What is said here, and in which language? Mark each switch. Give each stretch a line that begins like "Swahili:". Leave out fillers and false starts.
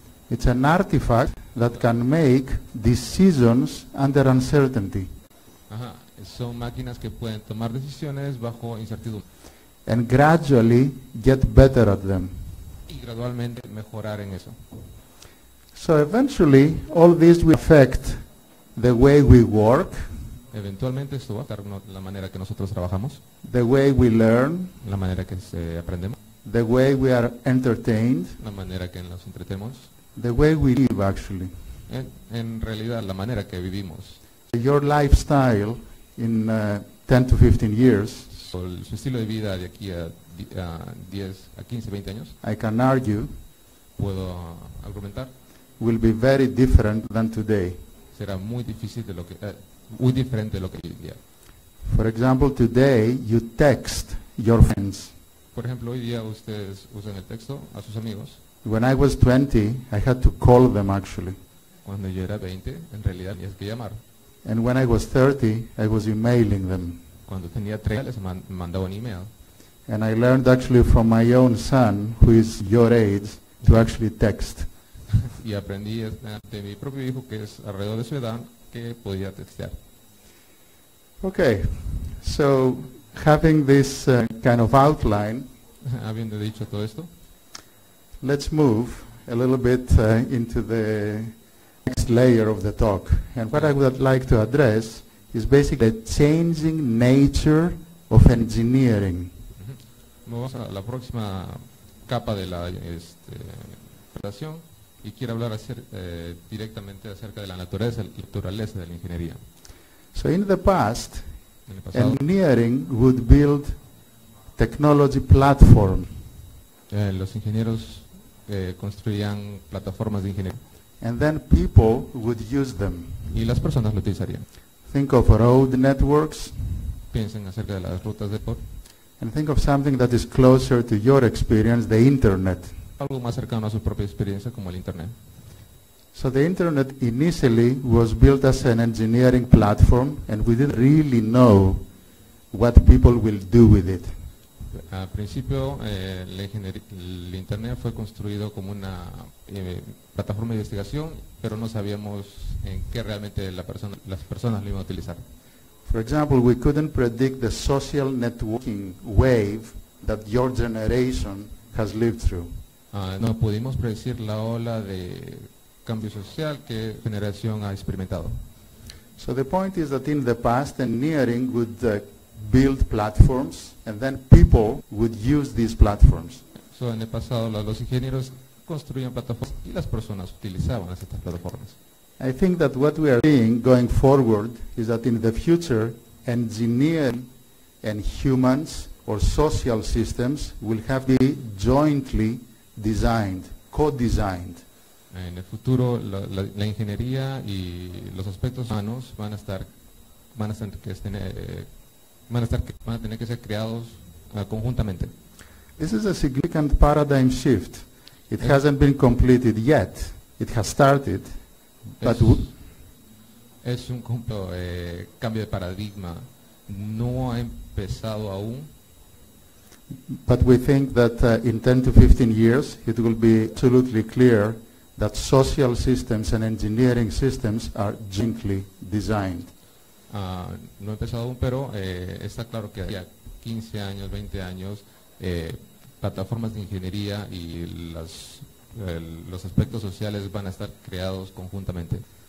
English: It's an artifact that can make decisions under uncertainty.
Spanish: Ajá, son máquinas que pueden tomar decisiones bajo incertidumbre.
English: And gradually get better at them.
Spanish: Y gradualmente mejorar en eso.
English: So eventually all this will affect the way we work.
Spanish: Eventualmente esto va a afectar la manera que nosotros trabajamos.
English: The way we learn.
Spanish: La manera que aprendemos.
English: The way we are entertained.
Spanish: La manera que nos entretenemos.
English: The way we live, actually.
Spanish: En realidad, la manera que vivimos.
English: Your lifestyle in 10 to 15 years.
Spanish: Su estilo de vida de aquí a 10, a 15, 20 años.
English: I can argue.
Spanish: Puedo argumentar.
English: Will be very different than today.
Spanish: Será muy difícil de lo que muy diferente de lo que hoy día.
English: For example, today you text your friends.
Spanish: Por ejemplo, hoy día ustedes usan el texto a sus amigos.
English: When I was 20, I had to call them actually.
Spanish: Cuando yo era 20, en realidad tenía que llamar.
English: And when I was 30, I was emailing them.
Spanish: Cuando tenía 30, les mandaba un email.
English: And I learned actually from my own son, who is your age, to actually text.
Spanish: Y aprendí de mi propio hijo, que es alrededor de su edad, que podía textear.
English: Okay, so having this kind of outline,
Spanish: habiendo dicho todo esto,
English: let's move a little bit into the next layer of the talk. And what I would like to address is basically the changing nature of engineering.
Spanish: Vamos a la próxima capa de la presentación y quiero hablar directamente acerca de la naturaleza de la ingeniería.
English: So in the past, engineering would build technology platform.
Spanish: Los ingenieros construían plataformas de ingeniería.
English: And then people would use them.
Spanish: Y las personas lo utilizarían.
English: Think of road networks.
Spanish: Piensen acerca de las rutas de por.
English: And think of something that is closer to your experience, the internet.
Spanish: Algo más cercano a su propia experiencia como el internet.
English: So the internet initially was built as an engineering platform, and we didn't really know what people will do with it.
Spanish: Al principio, el internet fue construido como una plataforma de investigación, pero no sabíamos en qué realmente las personas lo iban a utilizar.
English: For example, we couldn't predict the social networking wave that your generation has lived through.
Spanish: No pudimos predecir la ola de cambio social que generación ha experimentado.
English: So the point is that in the past, engineering would build platforms, and then people would use these platforms.
Spanish: So en el pasado los ingenieros construían plataformas y las personas utilizaban esas plataformas.
English: I think that what we are seeing going forward is that in the future, engineering and humans or social systems will have to be jointly designed, co-designed.
Spanish: En el futuro, la ingeniería y los aspectos humanos van a tener que ser creados conjuntamente.
English: This is a significant paradigm shift. It hasn't been completed yet. It has started, but
Spanish: es un cambio de paradigma. No ha empezado aún.
English: But we think that in 10 to 15 years, it will be absolutely clear that social systems and engineering systems are jointly designed.
Spanish: No he empezado aún, pero está claro que hay 15 años, 20 años, plataformas de ingeniería y los aspectos sociales van a estar creados conjuntamente.